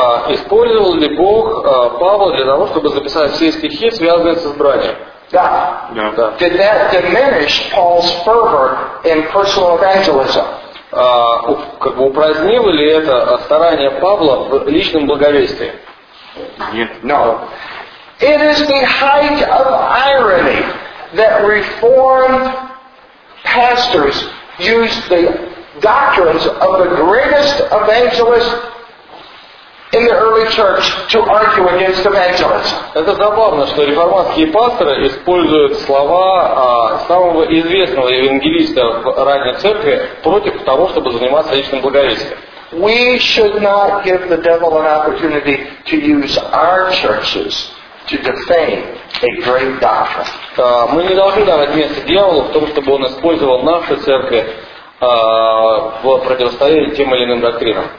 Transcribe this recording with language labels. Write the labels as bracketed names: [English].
[Russian] Использовал ли Бог Павла для того, чтобы записать все стихи, связанные с избранием? Да. [English] Yeah. Did that diminish Paul's fervor in personal evangelism? [Russian] Как бы упразднило ли это старание Павла в личном благовестии? Нет. [English] No. It is the height of irony that Reformed pastors used the doctrines of the greatest evangelist in the early church to argue against evangelism. [Russian] Это забавно, что реформатские пасторы используют слова самого известного евангелиста в ранней церкви против того, чтобы заниматься личным благовестием. [English] We should not give the devil an opportunity to use our churches to defame a great doctrine. [Russian] Мы не должны давать место дьяволу в том, чтобы он использовал наши церкви в противостоянии тем или иным доктринам.